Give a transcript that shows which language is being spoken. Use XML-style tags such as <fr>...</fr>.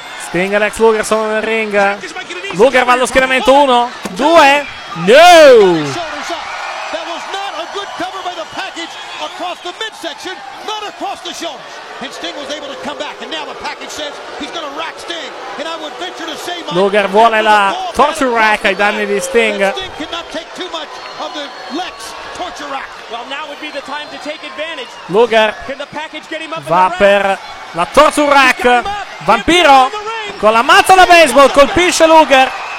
<it>Sting e Lex Luger sono nel ring. Luger va allo schieramento 1, 2, no!</it> <en>That was not a good cover by the package across the midsection, not across the shoulders. And Sting was able to come back. And now the package says he's going to rack Sting. And I would venture to say my...</en> <it>Luger vuole la torture rack ai danni di Sting.</it> <en>Sting cannot take too much of the Lex torture rack. Well, now would be the time to take advantage.</en> <it>Luger va per la torture rack. Vampiro con la mazza da baseball colpisce Luger.</it>